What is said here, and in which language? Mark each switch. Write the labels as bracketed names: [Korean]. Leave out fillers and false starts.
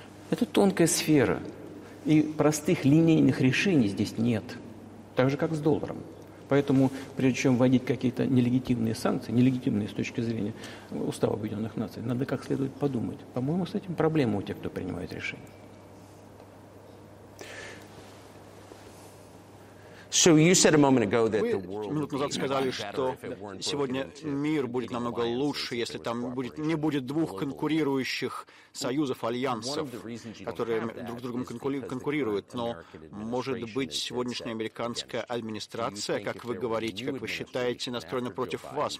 [Russian] Это тонкая сфера, и простых линейных решений здесь нет, так же, как с долларом. Поэтому, прежде чем вводить какие-то нелегитимные санкции, нелегитимные с точки зрения Устава Объединенных Наций, надо как следует подумать. По-моему, с этим проблема у тех, кто принимает решения. [English] So you said a moment ago that the world. [Russian] Вы минуту назад сказали, что сегодня мир будет намного лучше, если там будет, не будет двух конкурирующих союзов, альянсов, которые друг с другом конкурируют. Но может быть сегодняшняя американская администрация, как вы говорите, как вы считаете, настроена против вас?